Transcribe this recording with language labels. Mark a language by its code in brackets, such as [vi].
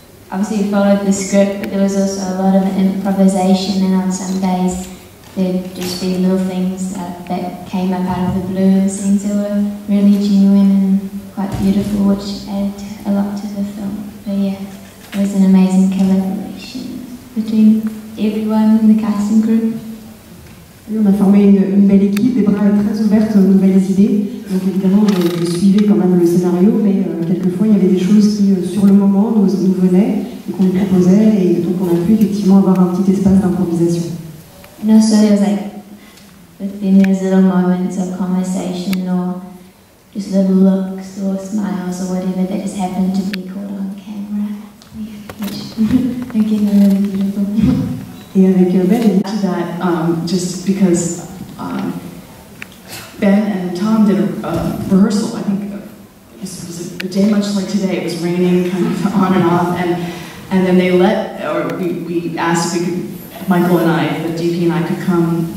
[en] Obviously we followed the script, but there was also a lot of improvisation, and on some days there'd just be little things that came up out of the blue and scenes that were really genuine and quite beautiful, which added a lot to the film. But yeah, it was an amazing collaboration between everyone in the cast and crew. [fr] On a formé une belle équipe, des bras très ouvertes aux nouvelles idées. Donc évidemment, je suivais quand même le scénario, mais quelquefois, il y avait des choses qui, sur le moment, nous venaient et qu'on nous proposait, et donc on a pu effectivement avoir un petit espace d'improvisation. [en] And also, there was like, within those little moments of conversation, or just little looks, or smiles, or whatever, that just happened to be caught on camera. Again, a really beautiful. Yeah, thank you. Ben, to that, just because Ben and Tom did a rehearsal, I think it was a day much like today. It was raining kind of on and off, and then they let, or we asked if we could, Michael and I, the DP and I, could come.